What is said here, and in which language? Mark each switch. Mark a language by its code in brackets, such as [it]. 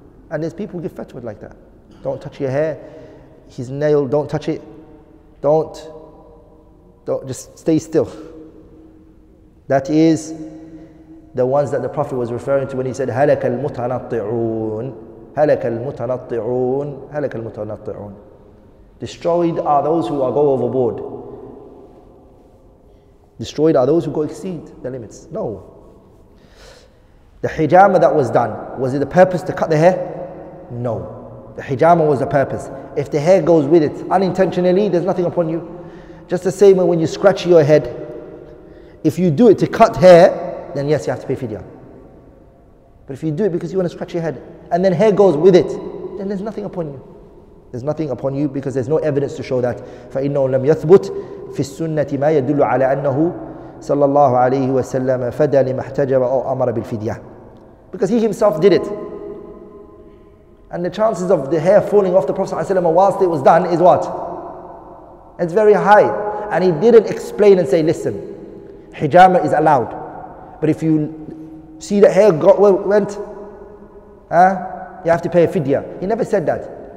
[en] And there's people who give fatwa like that. Don't touch your hair. His nail, don't touch it. Don't just stay still. That is the ones that the Prophet was referring to when he said, [ar] هَلَكَ الْمُتَنَطِّعُونَ. هلك المتنطعون هلك المتنطعون. [en] Destroyed are those who are go overboard. Destroyed are those who go exceed the limits. No. The hijama that was done, was it a purpose to cut the hair? No. The hijama was a purpose. If the hair goes with it unintentionally, there's nothing upon you. Just the same way when you scratch your head, if you do it to cut hair, then yes, you have to pay fidya. But if you do it because you want to scratch your head, and then hair goes with it, then there's nothing upon you. There's nothing upon you because there's no evidence to show that. [ar] فَإِنَّهُ لَمْ يَثْبُتْ فِي السُّنَّةِ مَا يَدُلُّ عَلَىٰ أَنَّهُ صلى الله عليه وسلم فدى لما احتجب أو أمر بالفدية. [en] Because he himself did it. And the chances of the hair falling off the Prophet ﷺ whilst it was done is what? It's very high. And he didn't explain and say, listen, hijama is allowed. But if you see that hair went, you have to pay a fidya. He never said that.